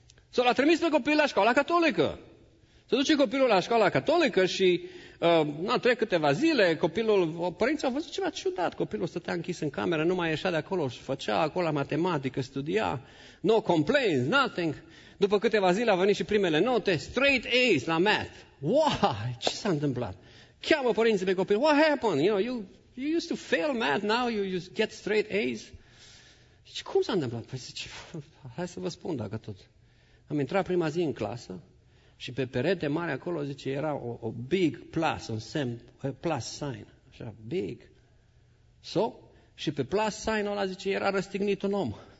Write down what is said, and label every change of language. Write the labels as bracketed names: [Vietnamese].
[Romanian] So, l-a trimis pe copil la școala catolică. Se duce copilul la școala catolică și trec câteva zile, copilul, părinții au văzut ceva ciudat, copilul stătea închis în cameră, nu mai ieșea de acolo și făcea acolo la matematică, studia, [English] no complaints, nothing. [Romanian] După câteva zile au venit și primele note, [English] straight A's [Romanian] la math. Wow, ce s-a întâmplat? Cheamă părinții pe copil, [English] what happened? You know, you used to fail math, now you get straight A's. [Romanian] Și cum s-a întâmplat? Păi zice, hai să vă spun dacă tot. Am intrat prima zi în clasă. Și pe perete mare acolo, zice, era o [English] big plus, [Romanian] un semn, [English] plus sign, [Romanian] așa, big. So, și pe plus sign ăla, zice, era răstignit un om.